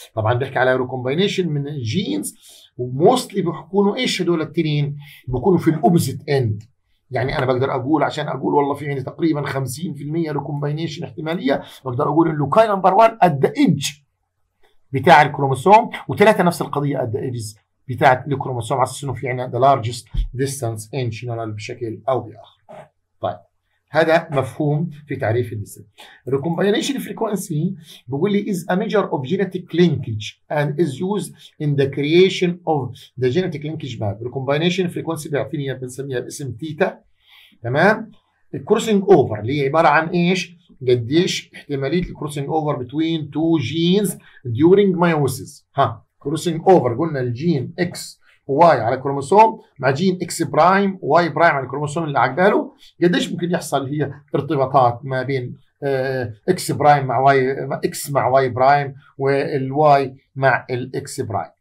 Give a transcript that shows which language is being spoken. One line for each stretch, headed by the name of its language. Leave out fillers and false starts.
Arabic: طبعا بحكي على ريكومباينيشن من الجينز وموستلي بيكونوا ايش هدول التنين؟ بيكونوا في الاوبزيت اند، يعني انا بقدر اقول عشان اقول والله في عندي تقريبا 50% ريكومباينيشن احتماليه، بقدر اقول اللوكاي نمبر 1
English: at the edge
Arabic: بتاع الكروموسوم، وثلاثه نفس القضيه at the edges بتاع الكروموسوم، على اساس انه في عندنا
English: the largest distance in general
Arabic: بشكل او باخر. طيب هذا مفهوم في تعريف الديستنس.
English: recombination frequency
Arabic: بيقول لي
English: is a measure of genetic linkage and is used in the creation of the genetic linkage map.
Arabic: ريكومباينيشن فريكوانسي بيعطيني اياها بنسميها باسم تيتا. تمام؟ الكروسنج اوفر اللي هي عباره عن ايش؟ قديش احتماليه الكروسنج اوفر
English: Between two genes during meiosis.
Arabic: ها كروسنج اوفر قلنا الجين اكس واي على كروموسوم مع جين اكس برايم واي برايم على الكروموسوم اللي عقباله، قديش ممكن يحصل هي ارتباطات ما بين اكس برايم مع واي، اكس مع واي برايم والواي مع الاكس برايم.